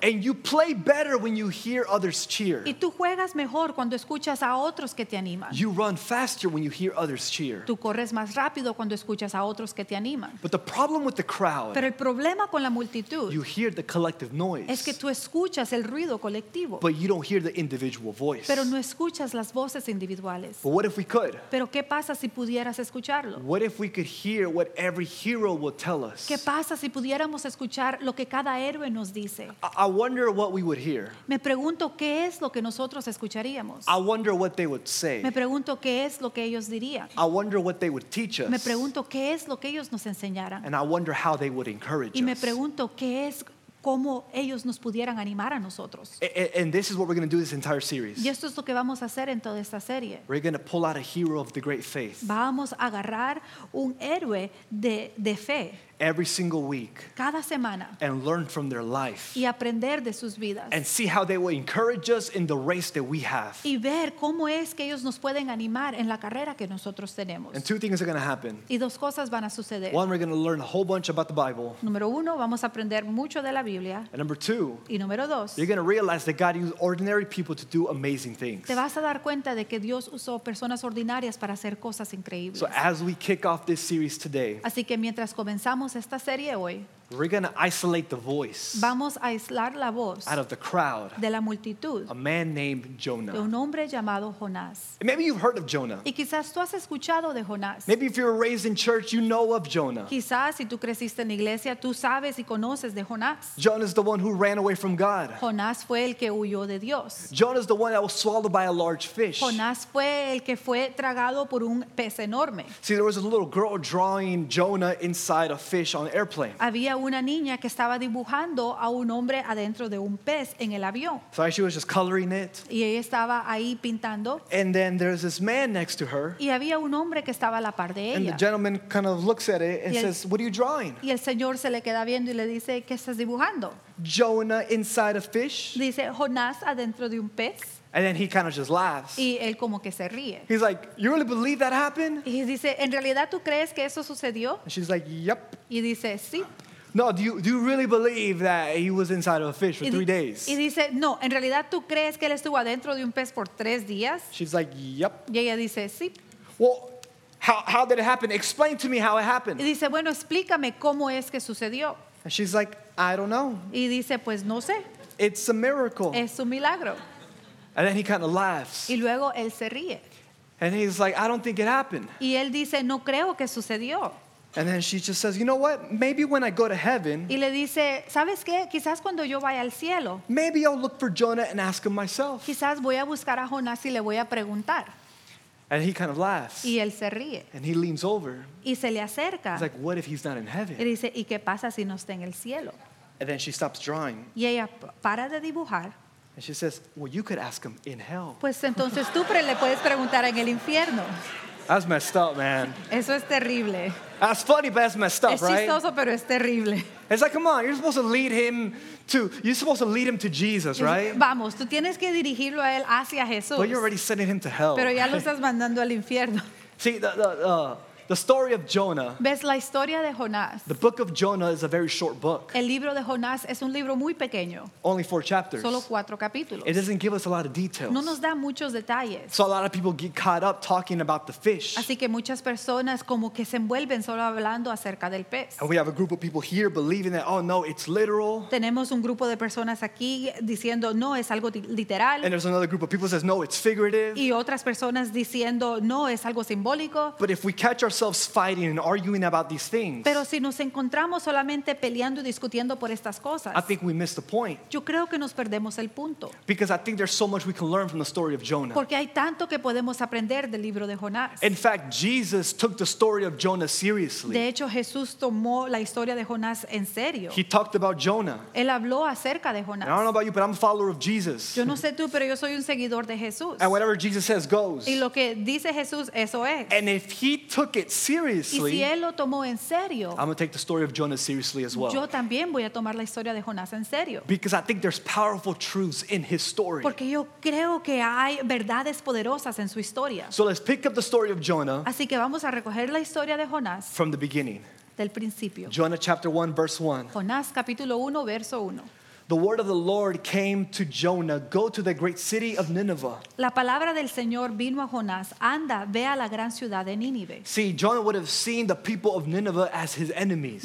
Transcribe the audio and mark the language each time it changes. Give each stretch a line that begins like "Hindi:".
English: And you play better when you hear others cheer.
Spanish: Y tú juegas mejor cuando escuchas a otros que te animan.
English: You run faster when you hear others cheer.
Spanish: Tú corres más rápido cuando escuchas a otros que te animan.
English: But the problem with the crowd.
Spanish: Pero el problema con la multitud.
English: You hear the collective noise.
Spanish: Es que tú escuchas el ruido colectivo.
English: But you don't hear the individual voice.
Spanish: Pero no escuchas las voces individuales.
English: But what if we could?
Spanish: Pero qué pasa si pudieras escucharlo?
English: What if we could hear what every hero will tell us?
Spanish: ¿Qué pasa si pudiéramos escuchar lo que cada héroe nos dice?
English: I wonder what we would hear.
Spanish: Me pregunto qué es lo que nosotros escucharíamos.
English: I wonder what they would say.
Spanish: Me pregunto qué es lo que ellos dirían.
English: I wonder what they would teach us.
Spanish: Me pregunto qué es lo que ellos nos enseñaran.
English: And I wonder how they would encourage us.
Spanish: Y me pregunto qué es cómo ellos nos pudieran animar a nosotros.
English: And this is what we're going to do this entire series.
Spanish: Y esto es lo que vamos a hacer en toda esta serie.
English: We're going to pull out a hero of the great faith.
Spanish: Vamos a agarrar un héroe de fe.
English: every single week,
Spanish: cada semana,
English: and learn from their life,
Spanish: y aprender de sus vidas,
English: and see how they will encourage us in the race that we have,
Spanish: y ver cómo es que ellos nos pueden animar en la carrera que nosotros tenemos.
English: And two things are going to happen.
Spanish: Y dos cosas van a suceder.
English: One, we're going to learn a whole bunch about the Bible.
Spanish: Número uno, vamos a aprender mucho de la Biblia.
English: And number two,
Spanish: y número dos,
English: you're going to realize that God used ordinary people to do amazing things.
Spanish: Te vas a dar cuenta de que Dios usó personas ordinarias para hacer cosas increíbles.
English: So as we kick off this series today,
Spanish: así que mientras comenzamos esta serie hoy,
English: we're going to isolate the voice,
Spanish: vamos a aislar la voz,
English: out of the crowd,
Spanish: de la multitud,
English: a man named Jonah,
Spanish: de un hombre llamado Jonás.
English: And maybe you've heard of Jonah.
Spanish: Y quizás tú has escuchado de Jonás.
English: Maybe if you were raised in church, you know of Jonah.
Spanish: Quizás si tú creciste en iglesia, tú sabes y conoces de Jonás.
English: Jonah is the one who ran away from God.
Spanish: Jonás fue el que huyó de Dios.
English: Jonah is the one that was swallowed by a large fish.
Spanish: Jonás fue el que fue tragado por un pez enorme.
English: See, there was a little girl drawing Jonah inside a fish on an airplane.
Spanish: Había una niña que estaba dibujando a un hombre adentro de un pez en el avión.
English: So she was just coloring it.
Spanish: Y ella estaba ahí pintando.
English: And then there's this man next to her.
Spanish: Y había un hombre que estaba a la par de ella.
English: And the gentleman kind of looks at it and says, "What are you drawing?"
Spanish: Y el señor se le queda viendo y le dice, "¿Qué estás dibujando?"
English: Jonah inside a fish.
Spanish: Dice, "Jonás adentro de un pez."
English: And then he kind of just laughs.
Spanish: Y él como que se ríe.
English: He's like, "You really believe that happened?"
Spanish: Y dice, "¿En realidad tú crees que eso sucedió?"
English: And she's like, "Yep."
Spanish: Y dice, "Sí."
English: No, do you really believe that he was inside of a fish for 3 days?
Spanish: Y dice, no, en realidad tú crees que él estuvo adentro de un pez por 3 días?
English: She's like, yep.
Spanish: Y ella dice, sí.
English: Well, how did it happen? Explain to me how it happened.
Spanish: Y dice, bueno, explícame cómo es que sucedió.
English: And she's like, I don't know.
Spanish: Y dice, pues no sé.
English: It's a miracle.
Spanish: Es un milagro.
English: And then he kind of laughs.
Spanish: Y luego él se ríe.
English: And he's like, I don't think it happened.
Spanish: Y él dice, no creo que sucedió.
English: And then she just says, "You know what? Maybe when I go to heaven."
Spanish: Y le dice, "¿Sabes qué? Quizás cuando yo vaya al cielo."
English: Maybe I'll look for Jonah and ask him myself.
Spanish: Quizás voy a buscar a Jonás y le voy a preguntar.
English: And he kind of laughs.
Spanish: Y él se ríe.
English: And he leans over.
Spanish: Y se le acerca.
English: He's like, "What if he's not in heaven?"
Spanish: Y dice, "¿Y qué pasa si no está en el cielo?"
English: And then she stops drawing.
Spanish: Y ella para de dibujar.
English: And she says, "Well, you could ask him in hell."
Spanish: Pues entonces tú le puedes preguntar en el infierno.
English: That's messed up, man.
Spanish: Eso es terrible.
English: That's funny, but that's messed up, right?
Spanish: Es chistoso, pero es terrible.
English: It's like, come on, you're supposed to lead him to Jesus, right?
Spanish: Vamos, tú tienes que dirigirlo a él hacia Jesús.
English: But you're already sending him to hell.
Spanish: Pero ya lo estás mandando al infierno.
English: See, the story of Jonah.
Spanish: ¿Ves la historia de Jonás?
English: The book of Jonah is a very short book.
Spanish: El libro de Jonás es un libro muy pequeño.
English: Only 4 chapters.
Spanish: Solo 4 capítulos.
English: It doesn't give us a lot of details.
Spanish: No nos da muchos detalles.
English: So a lot of people get caught up talking about the fish.
Spanish: Así que muchas personas como que se envuelven solo hablando acerca del pez.
English: And we have a group of people here believing that, oh no, it's literal.
Spanish: Tenemos un grupo de personas aquí diciendo, no, es algo literal.
English: And there's another group of people that says, no, it's figurative.
Spanish: Y otras personas diciendo, no, es algo simbólico.
English: But if we catch ourselves fighting and arguing about these things,
Spanish: pero si nos encontramos solamente peleando y discutiendo por estas cosas,
English: I think we miss the point.
Spanish: Yo creo que nos perdemos el punto.
English: Because I think there's so much we can learn from the story of Jonah.
Spanish: Porque hay tanto que podemos aprender del libro de Jonás.
English: In fact, Jesus took the story of Jonah seriously.
Spanish: De hecho, Jesús tomó la historia de Jonás en serio.
English: He talked about Jonah.
Spanish: Él habló acerca de Jonás.
English: And I don't know about you, but I'm a follower of Jesus.
Spanish: Yo no sé tú, pero yo soy un seguidor de Jesús.
English: And whatever Jesus says goes.
Spanish: Y lo que dice Jesús, eso es.
English: And if he took it seriously,
Spanish: y si él lo tomó en serio,
English: I'm going to take the story of Jonah seriously as well.
Spanish: Yo también voy a tomar la historia de Jonás en serio.
English: Because I think there's powerful truths in his story.
Spanish: Porque yo creo que hay verdades poderosas en su historia.
English: So let's pick up the story of Jonah.
Spanish: Así que vamos a recoger la historia de Jonás.
English: From the beginning.
Spanish: Del principio.
English: Jonah chapter 1 verse 1.
Spanish: Jonás capítulo 1 verso 1.
English: The word of the Lord came to Jonah, "Go to the great city of Nineveh."
Spanish: La palabra del Señor vino a Jonás, "Anda, ve a la gran ciudad de Nínive."
English: See, Jonah would have seen the people of Nineveh as his enemies.